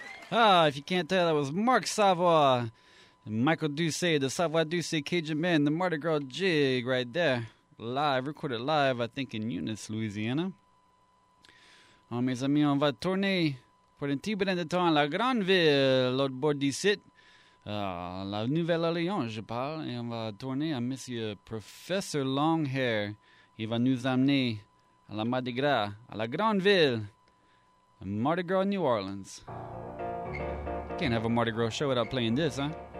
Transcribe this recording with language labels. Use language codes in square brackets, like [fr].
[en] Ah, if you can't tell, that was Mark Savoy, Michael Duce, the Savoy Duce, Cajun Man, the Mardi Gras jig right there. Live, recorded live, I think, in Eunice, Louisiana. [fr] Ah, mes amis, on va tourner pour un petit brin de temps à la grande ville, l'autre bord du site. La Nouvelle-Orléans, je parle, et on va tourner à Monsieur Professor Longhair. Il va nous amener à la Mardi Gras, à la grande ville, Mardi Gras, New Orleans. [en] Can't have a Mardi Gras show without playing this, huh?